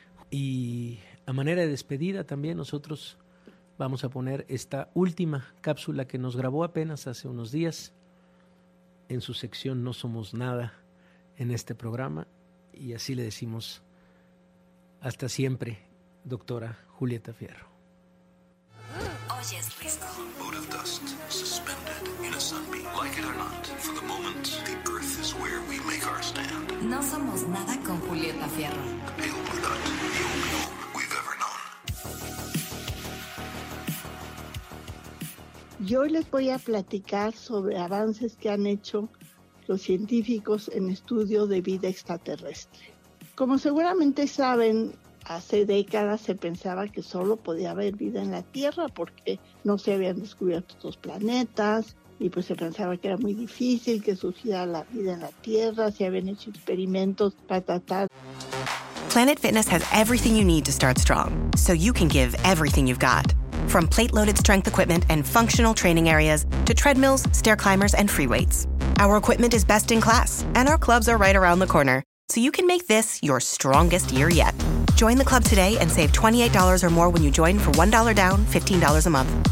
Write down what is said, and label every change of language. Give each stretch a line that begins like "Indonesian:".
Spanish: Y a manera de despedida también nosotros vamos a poner esta última cápsula que nos grabó apenas hace unos días en su sección No Somos Nada en este programa. Y así le decimos hasta siempre, doctora Julieta Fierro.
English: Boat of dust, suspended in a sunbeam. Like it or not, for the moment, the earth is where we make our stand.
Spanish: No somos nada con Julieta Fierro.
English: The pale blue dot, the only home we've ever known.
Spanish: Yo les voy a platicar sobre avances que han hecho los científicos en estudio de vida extraterrestre. Como seguramente saben, hace décadas se pensaba que solo podía haber vida en la Tierra porque no se habían descubierto otros planetas y pues se pensaba que era muy difícil que surgiera la vida en la Tierra, se habían hecho experimentos para tratar.
English: Planet Fitness has everything you need to start strong, so you can give everything you've got. From plate-loaded strength equipment and functional training areas to treadmills, stair climbers, and free weights. Our equipment is best in class, and our clubs are right around the corner. So you can make this your strongest year yet. Join the club today and save $28 or more when you join for $1 down, $15 a month.